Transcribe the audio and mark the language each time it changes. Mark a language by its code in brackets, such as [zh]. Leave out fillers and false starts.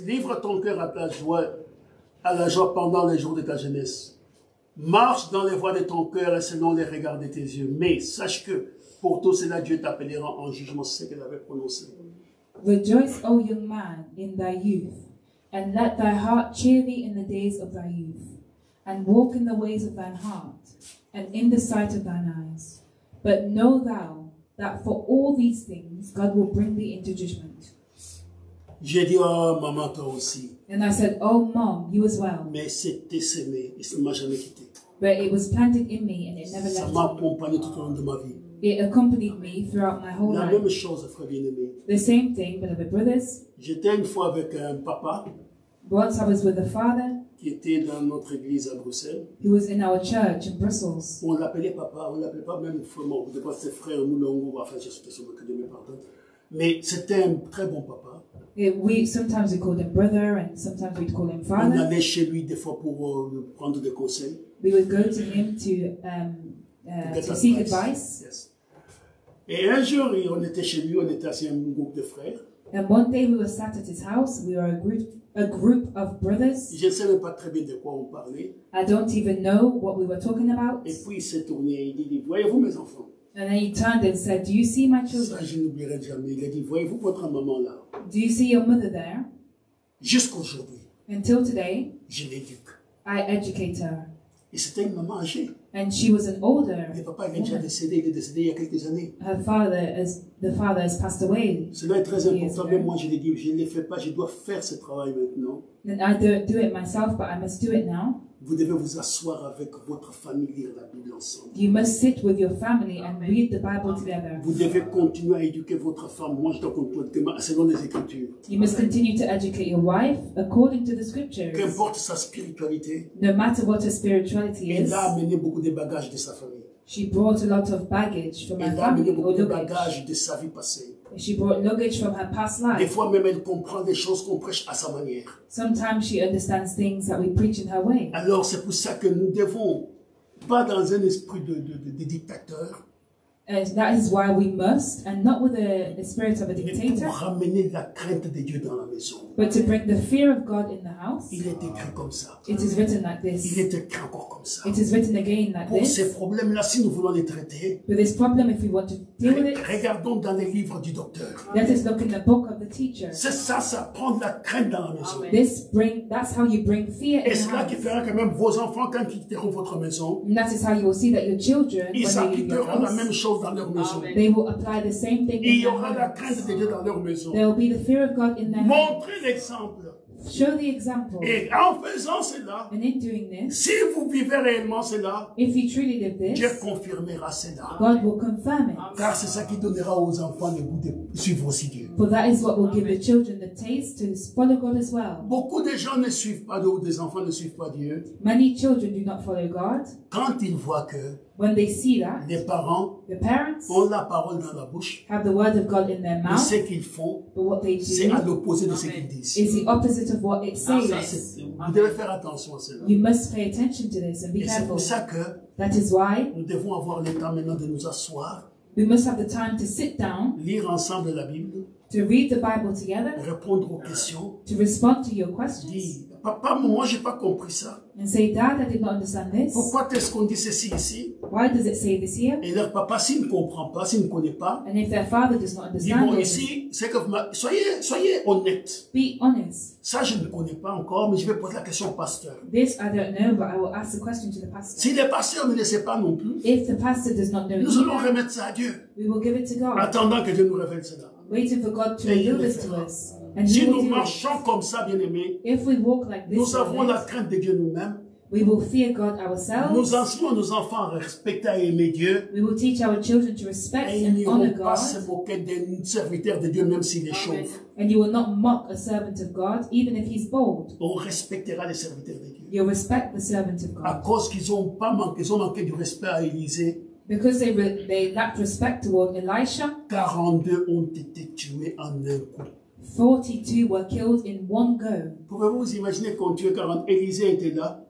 [fr] Livre ton cœur à la joie pendant les jours de ta jeunesse. Marche dans les voies de ton cœur et selon les regards de tes yeux. Mais sache que pour tout cela, Dieu t'appellera en jugement ce qu'il avait prononcé. [en] Rejoice, O young man, in thy youth, and let thy heart cheer thee in the days of thy youth, and walk in the ways of thine heart, and in the sight of thine eyes. But know thou that for all these things God will bring thee into judgment. [fr] J'ai dit, oh, maman, toi aussi. [en] And I said, oh, mom, you as well. [fr] Mais c'était semé, et ça ne m'a jamais quitté. [en] But it was planted in me, and it never left me. [fr] Ça m'a accompagné tout au long de ma vie. [en] It accompanied me throughout my whole [fr] la [en] life. [fr] La même chose, frère bien-aimé. [en] The same thing, beloved brothers. [fr] J'étais une fois avec un papa. [en] Once I was with a father. [fr] Qui était dans notre église à Bruxelles. [en] He was in our church in Brussels. [fr] On l'appelait papa, on l'appelait pas même frère, on ne pas ses frères, nous, non, enfin, j'ai sauté sur le cas de mes parents. Mais c'était un très bon papa. [en] Sometimes we called him brother and sometimes we'd call him father. [fr] On allait chez lui des fois pour prendre des conseils. [en] We would go to him to seek advice. Yes. [fr] Et un jour, on était chez lui, on était assis un groupe de frères. [en] And one day we were sat at his house. We were a group of brothers. [fr] Je ne savais pas très bien de quoi on parlait. [en] I don't even know what we were talking about. [fr] Et puis il s'est tourné et il dit, voyez-vous mes enfants? [en] And then he turned and said, do you see my children? [fr] Ça, je n'oublierai jamais. Il a dit, voyez-vous votre maman là? [en] Do you see your mother there? [fr] Jusqu'aujourd'hui. [en] Until today. [fr] Je l'éduque. [en] I educate her. [fr] Et c'était une maman âgée. [en] And she was an older woman. [fr] Et papa est déjà décédé. Il est décédé il y a quelques années. [en] The father has passed away. [fr] Cela est très important. Mais moi, je l'ai dit, je ne le fais pas. Je dois faire ce travail maintenant. [en] And I don't do it myself, but I must do it now. [fr] Vous devez vous asseoir avec votre famille et lire la Bible ensemble. [en] You must sit with your family and read the Bible together. [fr] Vous devez continuer à éduquer votre femme. Moi, je dois continuer selon les Écritures. [en] You must continue to educate your wife according to the Scriptures. [fr] Qu'importe sa spiritualité. [en] No matter what her spirituality is. [fr] Elle a amené beaucoup de bagages de sa famille. [en] She brought a lot of baggage from her family. [fr] Elle a amené beaucoup de bagages de sa vie passée. [en] She brought luggage from her past life. [fr] Des fois même elle comprend des choses qu'on prêche à sa manière. [en] Sometimes she understands things that we preach in her way. [fr] Alors c'est pour ça que nous devons pas dans un esprit de dictateur. [en] And that is why we must, and not with a spirit of a dictator. [fr] Pour ramener la crainte de Dieu dans la maison. [en] But to bring the fear of God in the house. [fr] Il est écrit comme ça. [en] It is written like this. [fr] Il est écrit encore comme ça. [en] It is written again like [fr] pour [en] this. [fr] Pour ces problèmes-là, si nous voulons les traiter. [en] But this problem, if we want to deal with it. [fr] Regardons dans les livres du docteur. [en] Let us look in the book of the teacher. [fr] C'est ça, ça prend la crainte dans la maison. [en] Amen. That's how you bring fear in the house. [fr] Et c'est là qui fera que même vos enfants, quand ils quitteront votre maison. [en] And that is how you will see that your children, when they leave your house. [fr] Ils appliqueront la même chose. Dans leur maison. [en] They will apply the same thing. [fr] Il y aura la crainte de Dieu dans leur maison. [en] There will be the fear of God in their house. [fr] Montrez l'exemple. [en] Show the example. [fr] Et en faisant cela, [en] and in doing this, [fr] si vous vivez réellement cela, [en] if you truly live this, [fr] Dieu confirmera cela. [en] God will confirm it. [fr] Car c'est ça qui donnera aux enfants le goût de suivre aussi Dieu. [en] For that is what will give the children the taste to follow God as well. [fr] Beaucoup de gens ne suivent pas Dieu, des enfants ne suivent pas Dieu. [en] Many children do not follow God. [fr] Quand ils voient que [en] when they see that [fr] les parents [en] the parents [fr] ont la parole dans la bouche, [en] have the word of God in their mouth, [fr] ce qu'ils font, [en] but what they do, [fr] c'est à l'opposé de ce qu'ils disent. [en] Is the opposite of what it says. [fr] Ça, c'est, vous devez faire attention à cela. [en] You must pay attention to this and be [fr] et [en] careful. [fr] C'est pour ça que [en] that is why [fr] nous devons avoir le temps maintenant de nous asseoir. [en] We must have the time to sit down, [fr] lire ensemble la Bible, [en] to read the Bible together, [fr] répondre aux questions, [en] to respond to your questions. [fr] Dire, papa, moi, j'ai pas compris ça. [en] And say, Dad, I did not understand this. [fr] Pourquoi est-ce qu'on dit ceci ici? [en] Why does it say this here? [fr] Et leur papa, s'il ne comprend pas, s'il ne connaît pas, [en] and if their father does not understand, [fr] dit, bon, ici, c'est que vous soyez honnête. [en] Be honest. [fr] Ça, je ne connais pas encore, mais je vais poser la question au pasteur. [en] This I don't know, but I will ask the question to the pastor. [fr] Si le pasteur ne le sait pas non plus, [en] if the pastor does not know, [fr] nous allons remettre ça à Dieu. [en] We will give it to God. [fr] Attendant que Dieu nous révèle cela. [en] Waiting for God to reveal this to us. [fr] And si nous marchons comme ça, bien-aimés, [en] like [fr] nous avons la crainte de Dieu nous-mêmes. [en] We will fear God ourselves. [fr] Nous enseignons nos enfants à respecter et aimer Dieu. [en] We will teach our children to respect [fr] et [en] and honor God. [fr] Et ne pas se moquer d'un serviteur de Dieu même s'il est chauve. [en] And you will not mock a servant of God even if he's bald. [fr] On respectera les serviteurs de Dieu. [en] You respect the servant of God. [fr] À cause qu'ils ont pas manqué, ils ont manqué du respect à Élisée. [en] Because they lacked respect toward Elisha. [fr] 42 ont été tués en un coup. [en] 42 were killed in one go. [fr] Pouvez-vous imaginer quand tu es 40, Élisée était là?